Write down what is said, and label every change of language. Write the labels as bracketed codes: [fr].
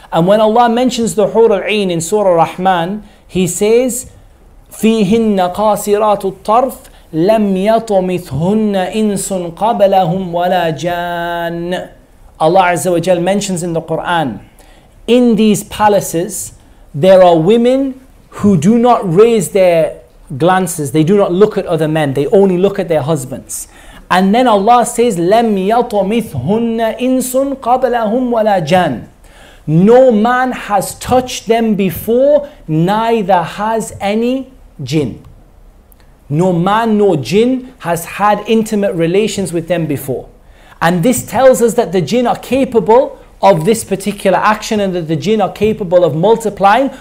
[en] And when Allah mentions the Hur al-Ain in Surah Rahman, He says, [ar] فِيهِنَّ قَاصِرَاتُ الطَّرْفِ لَمْ يَطْمِثْهُنَّ إِنْسٌ قَبْلَهُمْ وَلَا جَانٌ. [en] Allah Azza wa Jal mentions in the Quran, in these palaces, there are women who do not raise their glances, they do not look at other men, they only look at their husbands. And then Allah says, [ar] لَمْ يَطْمِثْهُنَّ إِنْسٌ قَبْلَهُمْ وَلَا جَانٌ. [en] No man has touched them before, neither has any jinn. No man nor jinn has had intimate relations with them before. And this tells us that the jinn are capable of this particular action and that the jinn are capable of multiplying.